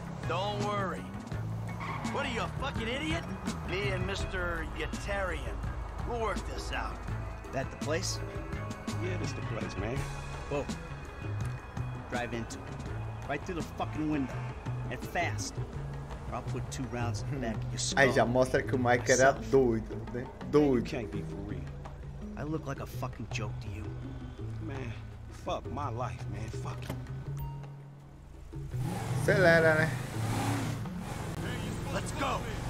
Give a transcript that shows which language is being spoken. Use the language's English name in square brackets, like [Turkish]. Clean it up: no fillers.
[English] Don't worry. What are you, a fucking idiot? Me and Mr. Yatarian, we'll work this out. That the place? Yeah, this the place, man. Whoa. Drive into it. Right through the fucking window. And fast. Or I'll put two rounds in the back of your skull. [Portuguese] Aí já mostra que o Mike era doido, né? Doido. [English] You can't be for real. I look like a fucking joke to you. Man, fuck my life, man. Fuck it. [Portuguese] Acelera, né? [English] Let's go!